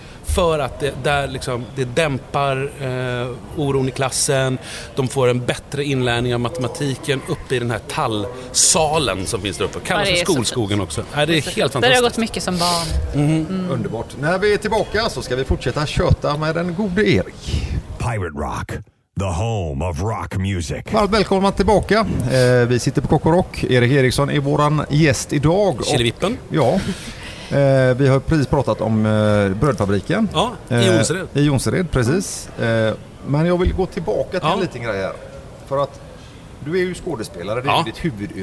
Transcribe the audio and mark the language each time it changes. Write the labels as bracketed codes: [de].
[sv] För att det dämpar oron i klassen. De får en bättre inlärning av matematiken uppe i den här tallsalen som finns där uppe. Kallas för skolskogen också. Det är helt fantastiskt. Det har gått mycket som barn. Underbart. När vi är tillbaka så ska vi fortsätta köta med den gode Erik. [en] Pirate Rock, the home of rock music. [sv] Varmt välkomna tillbaka. Vi sitter på Coco Rock. Erik Eriksson är våran gäst idag. Killevippen. Ja. Vi har precis pratat om brödfabriken. Ja, i Jonsered. I Jonsered, precis. Men jag vill gå tillbaka till en liten grej här. För att du är ju skådespelare, det är ditt huvudyrke.